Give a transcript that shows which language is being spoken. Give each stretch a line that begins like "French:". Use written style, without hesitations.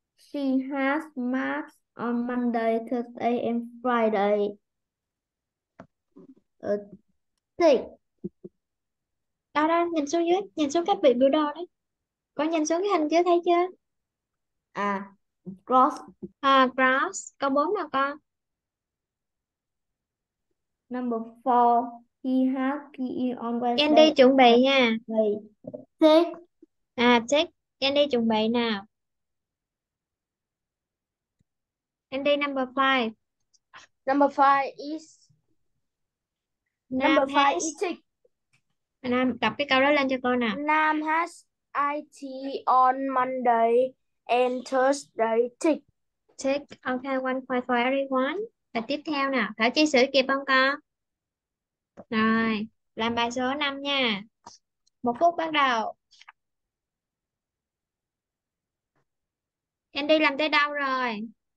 English: She has math on Monday, Thursday and Friday.
Vietnamese: Đó đó, nhìn xuống dưới, nhìn xuống cái biểu đồ đấy. Con nhìn xuống cái hình chưa, thấy chưa?
English: Cross
Vietnamese: Cross, câu 4 nào con?
English: number four, he has Candy PE
Vietnamese: chuẩn bị nha.
English: on Wednesday and
Vietnamese: Check, Candy chuẩn bị nào.
English: Candy number number five is Nam has. number
Vietnamese: Nam, đọc cái câu đó lên cho con nào.
English: five is tick. Nam has IT on Monday and Thursday tick. Check. Ok, one point for everyone.
Vietnamese: Và tiếp theo nào. Thảo chia sửa kịp không con? Rồi, làm bài số 5 nha. 1 phút bắt đầu. Em đi làm tới đâu rồi?